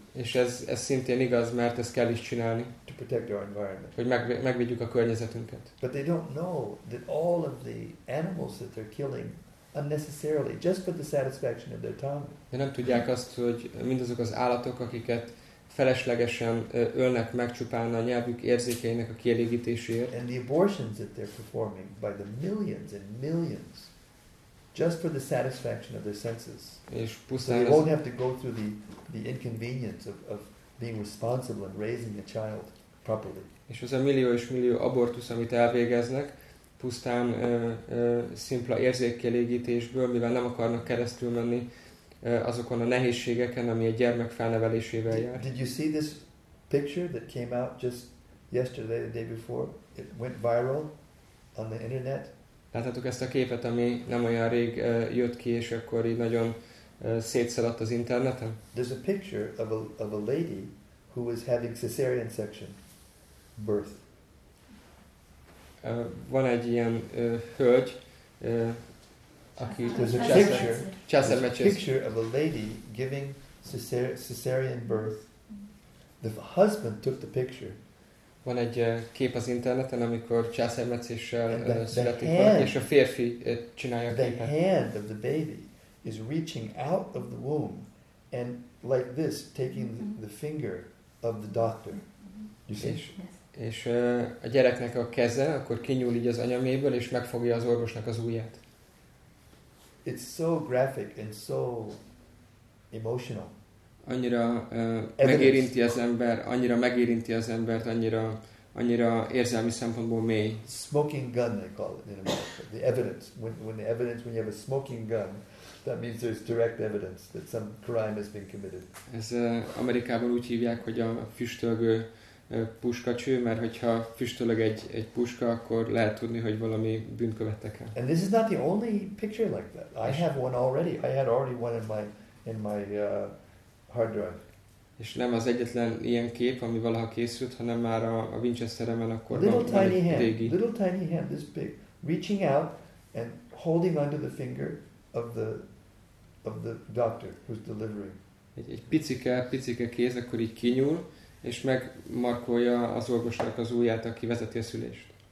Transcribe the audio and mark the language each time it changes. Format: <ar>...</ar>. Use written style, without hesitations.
<hu>És ez szintén igaz, mert ezt kell is csinálni.</hu> <en>To protect our environment.</en> <hu>Hogy megvédjük a környezetünket.</hu> <en>But they don't know that all of the animals that they're killing unnecessarily just for the satisfaction of their tongue.</en> <hu>De nem tudják azt, hogy mindazok az állatok, akiket feleslegesen ölnek meg csupán a nyelvük érzékeinek a kielégítéséért.</hu> <en>And the abortions that they're performing by the millions and millions just for the satisfaction of their senses.</en> <hu>És pusztán</hu> <en>so they won't have to go through the inconvenience of being responsible and raising a child properly.</en> <hu>És az a millió és millió abortus, amit elvégeznek, pusztán szimpla érzékkielégítésből, mivel nem akarnak keresztül menni azokon a nehézségeken, ami a gyermek felnevelésével jár.</hu> <en>Did you see this picture that came out just yesterday, the day before? It went viral on the internet.</en> <hu>Láttátok ezt a képet, ami nem olyan rég jött ki, és akkor így nagyon szétszaladt az interneten?</hu> <en>There's a picture of a lady who was having cesarean section birth.</en> <hu>Van egy ilyen hölgy, aki</hu> <en>a picture of a lady giving cesarean birth. The husband took the picture.</en> <hu>Van egy kép az interneten, amikor császármetszéssel születik valaki, és a férfi csinálja a képet.</hu> <en>The hand of the baby is reaching out of the womb and like this taking the finger of the doctor. You see?</en> <hu>És a gyereknek a keze akkor kinyúl így az anyaméből, és megfogja az orvosnak az ujját.</hu> <en>It's so graphic and so emotional.</en> <hu>Annyira megérinti az ember, annyira megérinti az embert, annyira érzelmi szempontból mély.</hu> <en>Smoking gun, they call it in America. The evidence. When you have a smoking gun, that means there's direct evidence that some crime has been committed.</en> <hu>Ez Amerikában úgy hívják, hogy a füstölgő puskacső, mert hogyha füstölög egy puska, akkor lehet tudni, hogy valami bűnt követtek el.</hu> <en>And this is not the only picture like that. I have one already. I had already one in my hard drive.</en> <hu>És nem az egyetlen ilyen kép, ami valaha készült, hanem már a Winchesteremen akkor van egy régi.</hu> <en>Little tiny hand, this big, reaching out and holding onto the finger of the doctor who's delivering.</en> <hu>Egy picike kéz, akkor így kinyúl, és megmarkolja az orvosnak az ujját, aki vezeti a szülést.</hu>